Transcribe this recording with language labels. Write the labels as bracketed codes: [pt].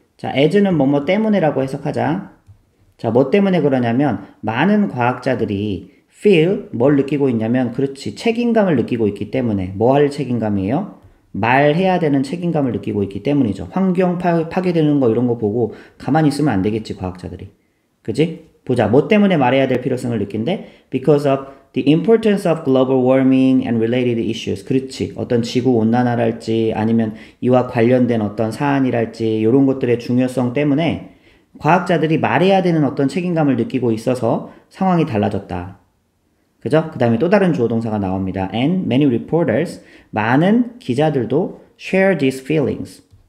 [ko] 자, as는 뭐뭐 때문에라고 해석하자. 자, 뭐 때문에 그러냐면 많은 과학자들이 feel, 뭘 느끼고 있냐면, 그렇지, 책임감을 느끼고 있기 때문에. 뭐할 책임감이에요? 말해야 되는 책임감을 느끼고 있기 때문이죠. 환경 파괴되는 거 이런 거 보고 가만히 있으면 안 되겠지, 과학자들이. 그지? 보자. 뭐 때문에 말해야 될 필요성을 느낀대? [en] Because of the importance of global warming and related issues. [ko] 그렇지. 어떤 지구 온난화랄지 아니면 이와 관련된 어떤 사안이랄지 이런 것들의 중요성 때문에 과학자들이 말해야 되는 어떤 책임감을 느끼고 있어서 상황이 달라졌다. 그죠? 그 다음에 또 다른 주어 동사가 나옵니다. [en] And many reporters, [ko] 많은 기자들도 [en] share these feelings.